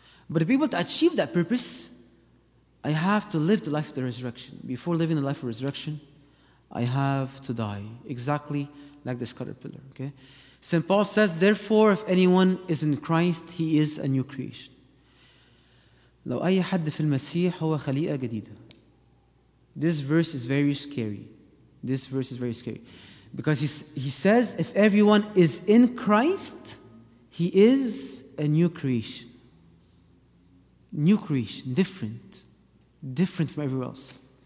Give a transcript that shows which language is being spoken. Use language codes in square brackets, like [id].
[en] But to be able to achieve that purpose, I have to live the life of the resurrection. Before living the life of resurrection, I have to die, exactly like this caterpillar. Okay? St. Paul says, therefore, if anyone is in Christ, he is a new creation. [ar] لو أي حد في المسيح هو خليقة جديدة. [en] This verse is very scary. This verse is very scary. Because he says, if everyone is in Christ, he is a new creation. New creation, different. Different from everywhere else.